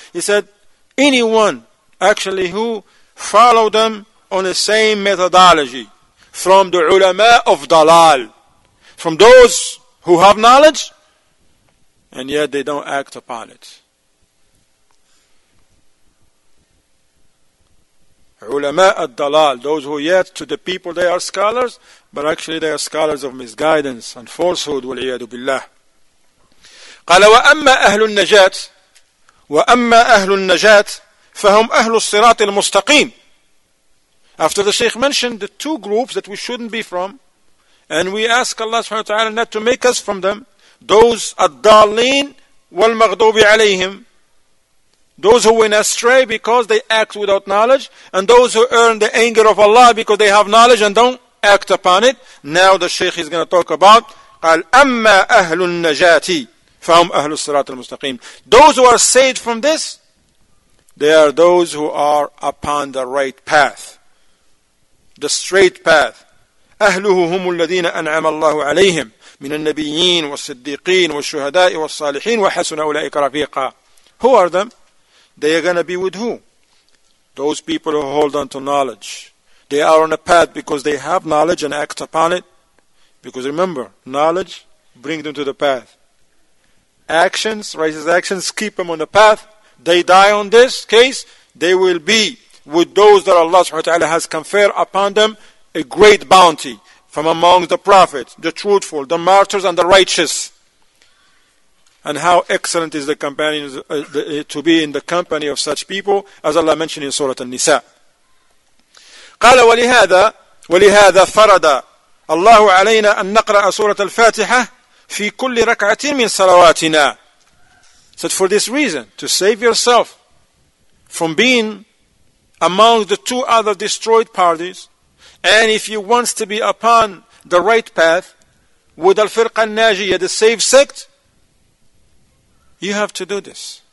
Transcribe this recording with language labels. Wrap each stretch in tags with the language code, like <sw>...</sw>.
<en>He said, anyone, actually, who follow them on the same methodology from the ulama of dalal, from those who have knowledge and yet they don't act upon it. Ulama al dalal, those who yet to the people they are scholars, but actually they are scholars of misguidance and falsehood.</en> <ar>Wal iyadu billah. قال: واما اهل النجات، واما اهل النجات فهم أهل الصراط المستقيم.</ar> <en>After the Shaykh mentioned the two groups that we shouldn't be from, and we ask Allah subhanahu wa ta'ala not to make us from them, those</en> <ar>الضالين والمغضوب عليهم,</ar> <en>those who went astray because they act without knowledge, and those who earn the anger of Allah because they have knowledge and don't act upon it. Now the Shaykh is going to talk about,</en> <ar>قال: أما أهل النجاتي فهم أهل الصراط المستقيم.</ar> <en>Those who are saved from this, they are those who are upon the right path, the straight path.</en> <ar>أهله هم الذين أنعم الله عليهم من النبيين والصديقين والشهداء والصالحين وحسن أولئك رفيقا.</ar> <en>Who are them? They are going to be with who? Those people who hold on to knowledge. They are on a path because they have knowledge and act upon it. Because remember, knowledge brings them to the path. Actions, righteous actions, keep them on the path. They die on this case, they will be with those that Allah subhanahu wa ta'ala has conferred upon them a great bounty from among the prophets, the truthful, the martyrs, and the righteous. And how excellent is the companion to be in the company of such people, as Allah mentioned in Surah An-Nisa.</en> <ar>قال ولهذا فرض الله علينا أن نقرأ سورة الفاتحة في كل ركعة من صلواتنا.</ar> <en>Said, for this reason, to save yourself from being among the two other destroyed parties, and if you want to be upon the right path with al-firqa al-najiyah, the saved sect, you have to do this.</en>